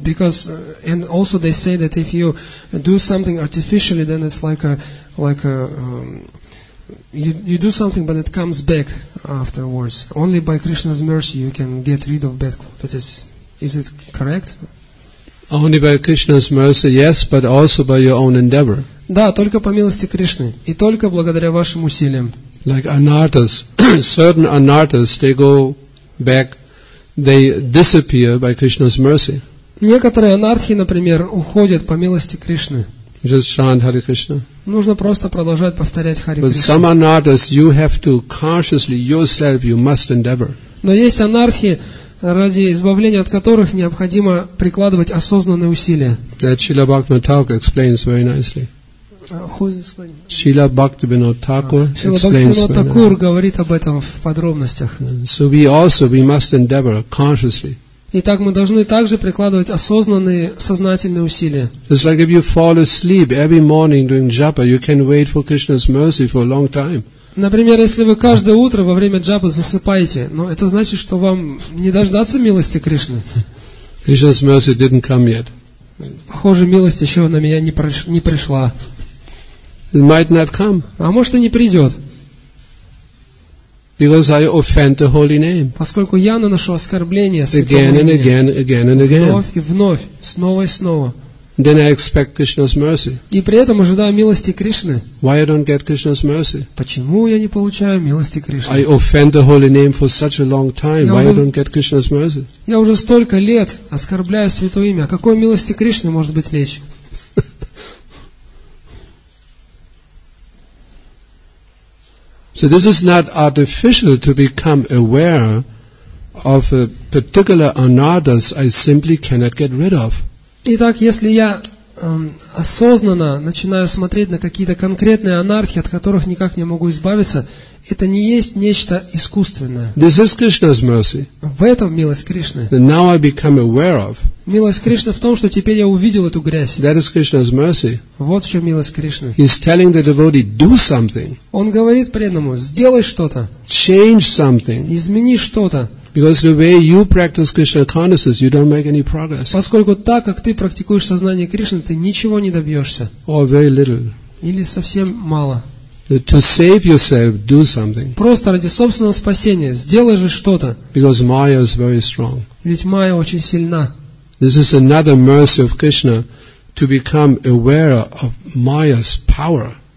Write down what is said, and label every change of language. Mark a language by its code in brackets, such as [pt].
[en] Because and also they say that if you do something artificially, then it's you do something, but it comes back afterwards. Only by Krishna's mercy you can get rid of bad qualities. Is it correct? Only by Krishna's mercy, yes, but also by your own endeavor. [ru] Да, только по милости Кришны и только благодаря вашим усилиям. [en] Like anarthas, certain anarthas, they go back, they disappear by Krishna's mercy. [ru] Некоторые анархи, например, уходят по милости Кришны. [en] Just chant Hare Krishna. [ru] Нужно просто продолжать повторять Харе Кришна. [en] But some anarthas, you have to consciously yourself, you must endeavor. [ru] Но есть анархи, ради избавления от которых необходимо прикладывать осознанные усилия. [en] That Srila Bhakti Thakur explains very nicely. Srila Bhaktivinoda Thakur explains [ru] Srila Thakur говорит об этом в подробностях. [en] So we also, we must endeavor consciously. [ru] Итак, мы должны также прикладывать осознанные, сознательные усилия. [en] It's like if you fall asleep every morning during japa, you can wait for Krishna's mercy for a long time. [ru] Например, если вы каждое утро во время джапы засыпаете, но это значит, что вам не дождаться милости Кришны. [en] Krishna's mercy didn't come yet. [ru] Похоже, милость еще на меня не пришла. [en] It might not come. [ru] А может и не придет. [en] Because I offend the holy name. [ru] Поскольку я наношу оскорбление святому имени. [en] Again and again, again and again. [ru] Вновь и вновь, снова и снова. [en] Then I expect Krishna's mercy. [ru] И при этом ожидаю милости Кришны. [en] Why I don't get Krishna's mercy? [ru] Почему я не получаю милости Кришны? [en] I offend the holy name for such a long time. Why I don't get Krishna's mercy? [ru] Я уже столько лет оскорбляю святое имя. О какой милости Кришны может быть речь? [en] So this is not artificial to become aware of a particular anarthas I simply cannot get rid of. [ru] Итак, если я осознанно начинаю смотреть на какие-то конкретные анархии, от которых никак не могу избавиться, это не есть нечто искусственное. [en] This is Krishna's mercy. [ru] В этом милость Кришны. [en] Now I become aware of. [ru] Милость Кришны в том, что теперь я увидел эту грязь. [en] That is Krishna's mercy. [ru] Вот в чем милость Кришны. [en] He's telling the devotee, do something. [ru] Он говорит преданному, сделай что-то. [en] Change something. [ru] Измени что-то. [en] Because the way you practice Krishna consciousness, you don't make any progress. [ru] Поскольку так, как ты практикуешь сознание Кришны, ты ничего не добьешься. [en] Or very little. [ru] Или совсем мало. [en] To save yourself, do something. [ru] Просто ради собственного спасения сделай же что-то. [en] Because Maya is very strong. [ru] Ведь Майя очень сильна. [en] This is another mercy of Krishna to become aware of Maya's power.